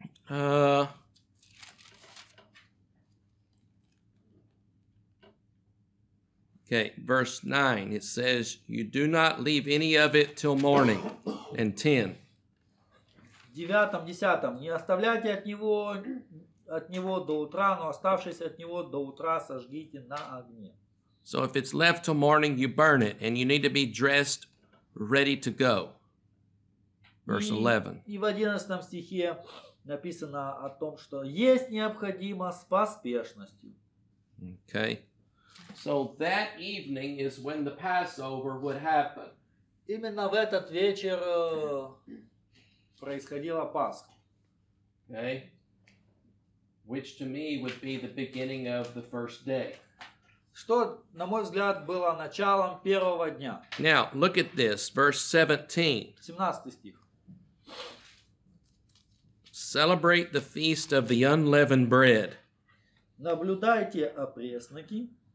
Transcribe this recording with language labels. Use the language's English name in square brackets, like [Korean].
[English] Okay, verse 9, it says, you do not leave any of it till morning, and 10. [Russian] В 9-м, 10-м, не оставляйте от него до утра, но оставшись от него до утра, сожгите на огне. [English] So if it's left till morning, you burn it, and you need to be dressed, ready to go. Verse 11. [Russian] И в 11-м стихе написано о том, что есть необходимо с поспешностью. [English] Okay. So that evening is when the Passover would happen. [Russian] Именно в этот вечер происходила Пасха. [English] Okay. Which to me would be the beginning of the first day. [Russian] Что, на мой взгляд, было началом первого дня. [English] Now, look at this, verse 17. [Russian] 17 стих. [English] Celebrate the feast of the unleavened bread. [Russian] Наблюдайте опресники.